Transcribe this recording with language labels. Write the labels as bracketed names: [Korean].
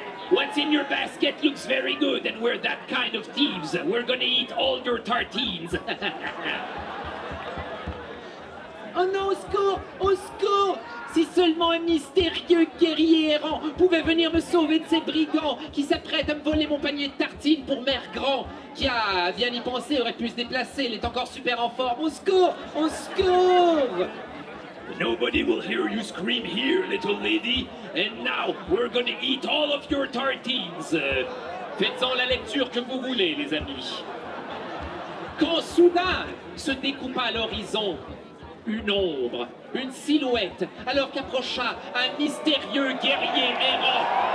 [English] What's in your basket looks very good, and we're that kind of thieves. We're gonna eat all your tartines. [French] Oh non, au secours! Au secours! Si seulement un mystérieux guerrier errant pouvait venir me sauver de ces brigands qui s'apprêtent à me voler mon panier de tartines pour Mère Grand, qui a bien y pensé, aurait pu se déplacer, il est encore super en forme. Au secours! Au secours! [English] Nobody will hear you scream here, little lady. And now, we're gonna eat all of your tartines. [French] Faites-en la lecture que vous voulez, les amis. Quand soudain se découpa à l'horizon une ombre, une silhouette, alors qu'approcha un mystérieux guerrier errant.